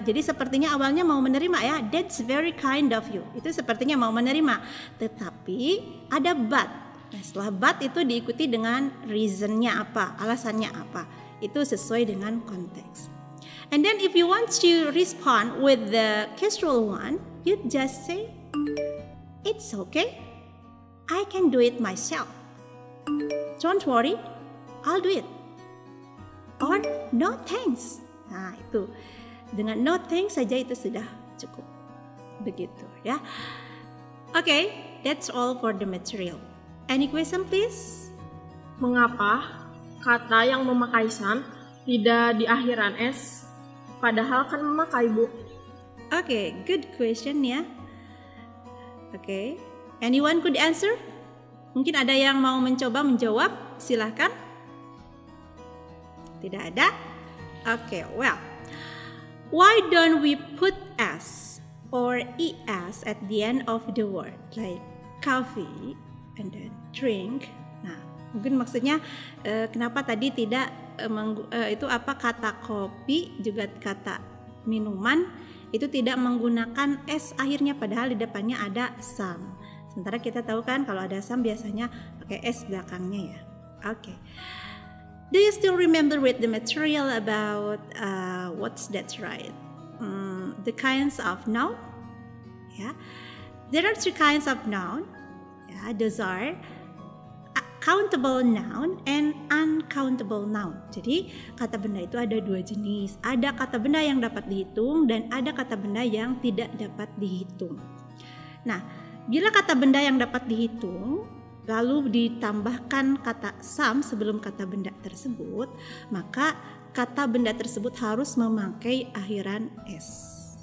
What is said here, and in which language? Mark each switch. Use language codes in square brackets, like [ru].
[id] Jadi sepertinya awalnya mau menerima ya. [en] That's very kind of you. [id] Itu sepertinya mau menerima. Tetapi ada but. Nah, setelah but itu diikuti dengan reasonnya apa, alasannya apa. Itu sesuai dengan konteks. [en] And then if you want to respond with the casual one, you just say, it's okay, I can do it myself. Don't worry, I'll do it. Or no thanks. [id] Nah, itu. Dengan no thanks saja itu sudah cukup. Begitu ya. [en] Okay, that's all for the material. Any question please? [id] Mengapa kata yang memakai san tidak di akhiran s padahal kan memakai bu? [en] Okay, good question ya. Okay, anyone could answer? [id] Mungkin ada yang mau mencoba menjawab, silahkan. Tidak ada? [en] Okay, well, why don't we put S or ES at the end of the word? Like coffee and then drink. [id] Nah, mungkin maksudnya kenapa tadi tidak kata kopi, juga kata minuman itu tidak menggunakan S akhirnya padahal di depannya ada some. Sementara kita tahu kan kalau ada some biasanya pakai S belakangnya ya. Okay. [en] Do you still remember with the material about what's that right? The kinds of noun? Yeah. There are two kinds of noun. Yeah, those are countable noun and uncountable noun. [id] Jadi, kata benda itu ada dua jenis. Ada kata benda yang dapat dihitung dan ada kata benda yang tidak dapat dihitung. Nah, bila kata benda yang dapat dihitung lalu ditambahkan kata some sebelum kata benda tersebut, maka kata benda tersebut harus memakai akhiran s.